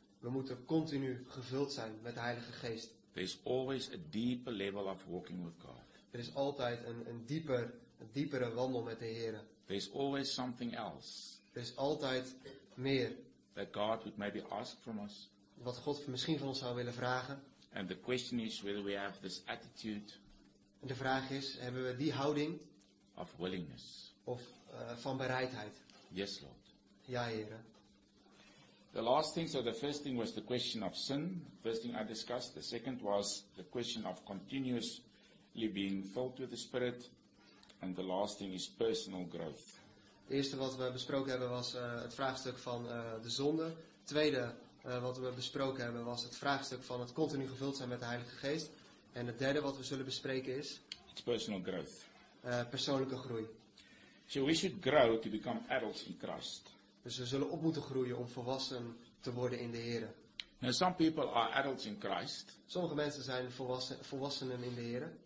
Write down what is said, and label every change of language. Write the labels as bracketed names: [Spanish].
[Dutch] We moeten continu gevuld zijn met de Heilige Geest. [English] There is always a deeper level of walking with God. [Dutch] Er is altijd een diepere wandel met de Heer. [English] There is always something else. [Dutch] Er is altijd meer. [English] That God would maybe ask from us. [Dutch] Wat God misschien van ons zou willen vragen. [English] And the question is whether we have this attitude. [Dutch] En de vraag is, hebben we die houding? [English] Of willingness. [Dutch] Of van bereidheid. [English] Yes, Lord. [Dutch] Ja, Heer. [English] The last thing, so the first thing was the question of sin. First thing I discussed. The second was the question of continuously being filled with the Spirit. And the last thing is personal growth. [Dutch] Het eerste wat we besproken hebben was het vraagstuk van de zonde. Het tweede wat we besproken hebben was het vraagstuk van het continu gevuld zijn met de Heilige Geest. En het derde wat we zullen bespreken is... [English] It's personal growth. [Dutch] Persoonlijke groei. [English] So we should grow to become adults in Christ. [Dutch] Dus we zullen op moeten groeien om volwassen te worden in de Heer. [English] Now some people are adults in Christ. [Dutch] Sommige mensen zijn volwassenen in de Heer.